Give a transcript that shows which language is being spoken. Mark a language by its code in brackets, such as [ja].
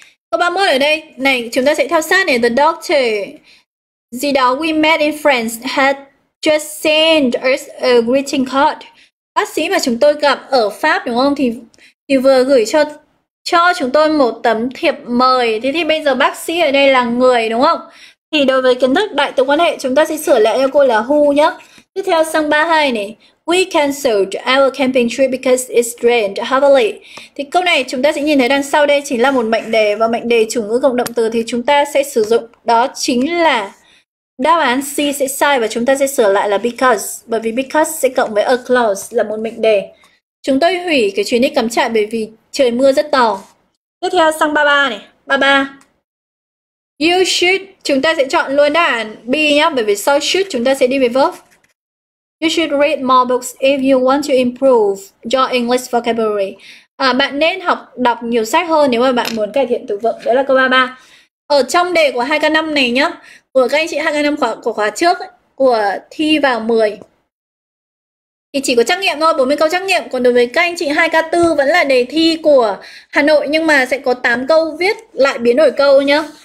[vi] Câu 31 ở đây, này, chúng ta sẽ theo sát này. [en] The doctor, [vi] gì đó [en] we met in France, had just sent us a greeting card. [vi] Bác sĩ mà chúng tôi gặp ở Pháp đúng không? Thì vừa gửi cho chúng tôi một tấm thiệp mời. Thế thì bây giờ bác sĩ ở đây là người đúng không? Thì đối với kiến thức đại từ quan hệ, chúng ta sẽ sửa lại cho cô là who nhá. Tiếp theo sang 32 này. [en] We cancelled our camping trip because it rained heavily. [vi] Thì câu này chúng ta sẽ nhìn thấy đằng sau đây chính là một mệnh đề, và mệnh đề chủ ngữ cộng động từ thì chúng ta sẽ sử dụng đó chính là đáp án C sẽ sai, và chúng ta sẽ sửa lại là because, bởi vì because sẽ cộng với a clause là một mệnh đề. Chúng tôi hủy cái chuyến đi cắm trại bởi vì trời mưa rất to. Tiếp theo sang 33 này. 33. [en] You should, [vi] chúng ta sẽ chọn luôn đáp án B nhá, bởi vì sau should chúng ta sẽ đi về verb. [en] You should read more books if you want to improve your English vocabulary. [vi] À, bạn nên học đọc nhiều sách hơn nếu mà bạn muốn cải thiện từ vựng. Đó là câu 33. Ở trong đề của 2K5 này nhá, của các anh chị 2K5 của khóa trước ấy, của thi vào 10 thì chỉ có trắc nghiệm thôi, 40 câu trắc nghiệm. Còn đối với các anh chị 2K4 vẫn là đề thi của Hà Nội, nhưng mà sẽ có 8 câu viết lại biến đổi câu nhá.